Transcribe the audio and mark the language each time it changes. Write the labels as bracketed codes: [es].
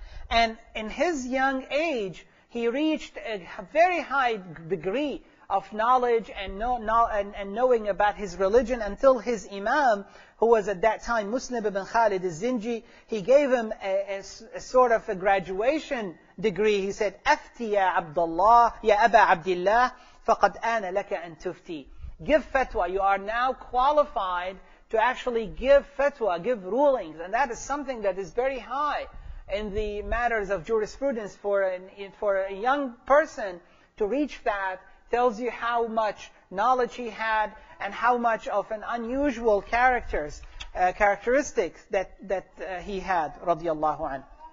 [en] And in his young age, he reached a very high degree of knowledge and knowing about his religion, until his imam, who was at that time Muslim ibn Khalid al-Zinji, he gave him a sort of a graduation degree. He said, [ar] أَفْتِي يَا عَبْدَ اللَّهِ يَا أَبَا عَبْدِ اللَّهِ فَقَدْ آنَ لَكَ أَن تُفْتِي. [en] Give fatwa. You are now qualified to actually give fatwa, give rulings. And that is something that is very high in the matters of jurisprudence for a young person. To reach that tells you how much knowledge he had and how much of an unusual characteristics that he had, radiallahu anhu.